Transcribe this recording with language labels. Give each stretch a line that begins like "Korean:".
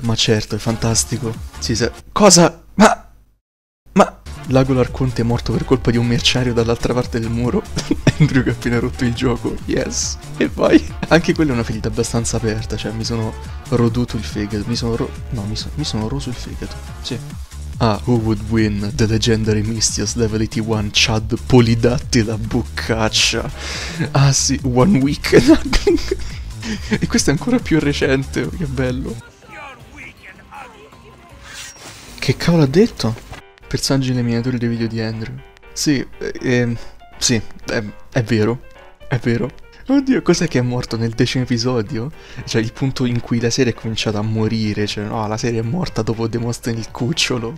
Italian: Ma certo, è fantastico. Sì. Cosa? Lagolo Arconte è morto per colpa di un mercenario dall'altra parte del muro. Andrew che ha appena rotto il gioco. Yes. E poi? Anche quella è una ferita abbastanza aperta. Cioè, mi sono roduto il fegato. Mi sono ro. No, mi sono roso il fegato. Sì.
English: Ah, who would win the legendary Mystios Level 81 Chad Polidattila Boccaccia?
Italian: Ah sì, One Week. E questo è ancora più recente, che bello. Che cavolo ha detto? Personaggi nelle miniature dei video di Andrew. Sì, è vero, è vero. Oddio, cos'è che è morto nel decimo episodio? Cioè, il punto in cui la serie è cominciata a morire, cioè, no, la serie è morta dopo Demostene il cucciolo.